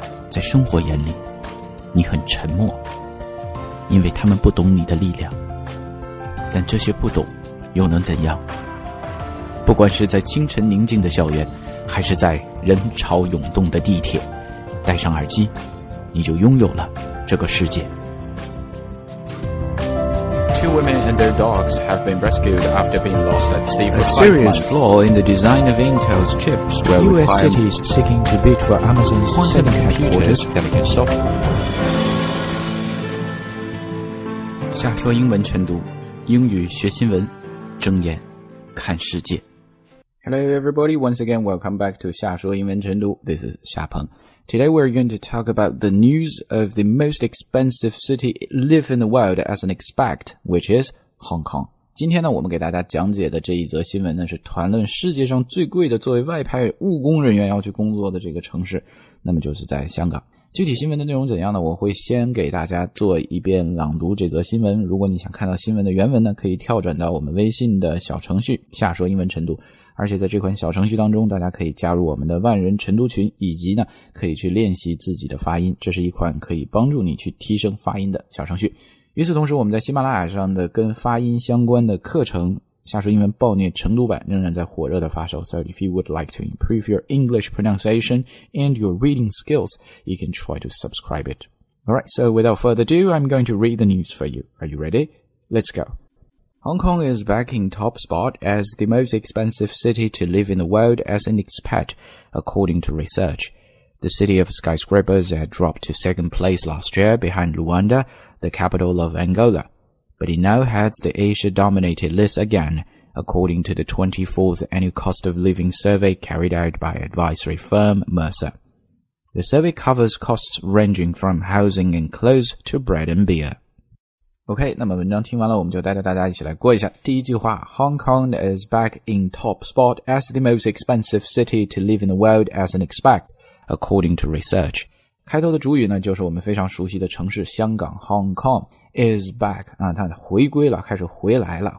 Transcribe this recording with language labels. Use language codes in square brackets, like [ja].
[zh] 在生活眼里，你很沉默，因为他们不懂你的力量。但这些不懂又能怎样？不管是在清晨宁静的校园，还是在人潮涌动的地铁，戴上耳机，你就拥有了这个世界。 [en] Two women and their dogs have been rescued after being lost at sea for 5 months. A serious flaw in the design of Intel's chips where U.S. cities seeking to bid for Amazon's quantum computers delicate software. [zh] 瞎说英文晨读，英语学新闻，睁眼看世界。 [en] Hello everybody, once again welcome back to 瞎说英文晨读。This is 夏鹏。 Today we're going to talk about the news of the most expensive city live in the world as an expat, which is Hong Kong. [zh] 今天呢我们给大家讲解的这一则新闻呢是谈论世界上最贵的作为外派务工人员要去工作的这个城市，那么就是在香港。具体新闻的内容怎样呢，我会先给大家做一遍朗读这则新闻。如果你想看到新闻的原文呢，可以跳转到我们微信的小程序下说英文晨读。而且在这款小程序当中，大家可以加入我们的万人晨读群，以及呢可以去练习自己的发音，这是一款可以帮助你去提升发音的小程序。与此同时，我们在喜马拉雅上的跟发音相关的课程下说英文暴虐晨读版仍然在火热的发售。 [en] So if you would like to improve your English pronunciation and your reading skills, you can try to subscribe it. Alright, so without further ado, I'm going to read the news for you. Are you ready? Let's go. Hong Kong is back in top spot as the most expensive city to live in the world as an expat, according to research. The city of skyscrapers had dropped to second place last year behind Luanda, the capital of Angola. But it now heads the Asia-dominated list again, according to the 24th Annual Cost of Living Survey carried out by advisory firm Mercer. The survey covers costs ranging from housing and clothes to bread and beer. [zh] OK, 那么文章听完了，我们就带着大家一起来过一下。第一句话， [en] Hong Kong is back in top spot as the most expensive city to live in the world as an expat, according to research. [zh] 开头的主语呢就是我们非常熟悉的城市香港， [en] Hong Kong is back, [zh] 啊，它回归了，开始回来了。